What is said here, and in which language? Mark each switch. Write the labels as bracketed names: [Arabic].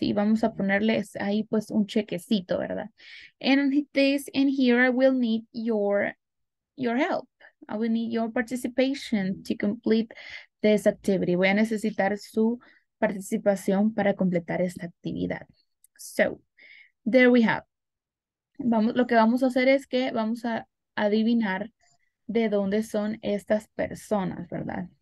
[Spanish] Y vamos a ponerles ahí pues un chequecito, ¿verdad? [English] And here I will need your help. I will need your participation to complete this activity. [Spanish] Voy a necesitar su participación para completar esta actividad. [English] So, there we have. [Spanish] Vamos, lo que vamos a hacer es que vamos a adivinar de dónde son estas personas, ¿verdad?